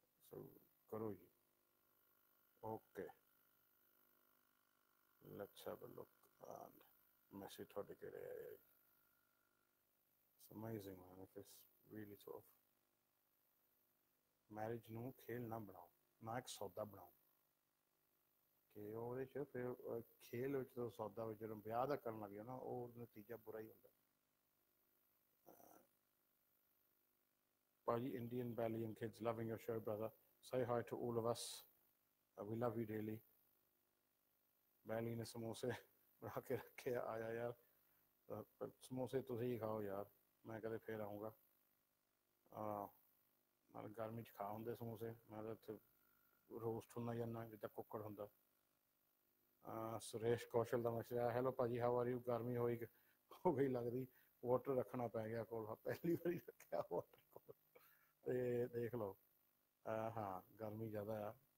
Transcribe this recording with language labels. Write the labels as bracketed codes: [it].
[pa] ਸੋ ਕਰੋ ਜੀ [en] okay let's have a look and [pa] message ਤੁਹਾਡੇ ਕਿਹੜੇ ਆਏ ਆ [en] Amazing man, it is really tough. [pa] Marriage ਨੂੰ ਖੇਲ ਨਾ ਬਣਾਓ, ਨਾ ਏਕ ਸੌਦਾ ਬਣਾਓ. ਕੇ ਓਹਦੇ ਚ ਫਿਰ ਖੇਲ ਵਿਚ ਤੋ ਸੌਦਾ ਵਿਚ ਜਦੋਂ ਵਿਆਹ ਦਾ ਕਰਨ ਲੱਗਿਆ ਨਾ, ਓਹ ਨਤੀਜਾ ਬੁਰਾ ਹੀ ਹੁੰਦਾ. [en] Paaji Indian Valley and kids loving your show, brother. Say hi to all of us. We love you daily. [pa] ਵੈਲੀ ਨੇ ਸਮੋਸਾ ਬਣਾ ਕੇ ਰੱਖੇ ਆਇਆ ਯਾਰ. ਸਮੋਸਾ ਤੁਸੀ ਹੀ ਖਾਓ ਯਾਰ. ਮੈਂ ਕਦੇ ਫਿਰ ਆਊਂਗਾ ਮੈਂ ਗਰਮੀ 'ਚ ਖਾ ਹੁੰਦੇ ਸਮੋਸੇ ਮੈਂ ਤਾਂ ਉੱਥੇ ਰੋਸਟ ਹੁੰਦਾ ਜਾਂਦਾ ਜਿੱਦਾਂ ਕੁੱਕੜ ਹੁੰਦਾ ਸੁਰੇਸ਼ ਕੌਸ਼ਲ ਦਾ ਮੈਸੇਜ ਆਇਆ ਹੈਲੋ ਭਾਅ ਜੀ [en] how are you [pa] ਗਰਮੀ ਹੋ ਗਈ ਲੱਗਦੀ ਵਾਟਰ ਰੱਖਣਾ ਪੈ ਗਿਆ ਕੋਲ ਪਹਿਲੀ ਵਾਰੀ ਰੱਖਿਆ ਵਾਟਰ ਕੋਲ ਅਤੇ ਦੇਖ ਲਓ ਹਾਂ ਗਰਮੀ ਜ਼ਿਆਦਾ ਆ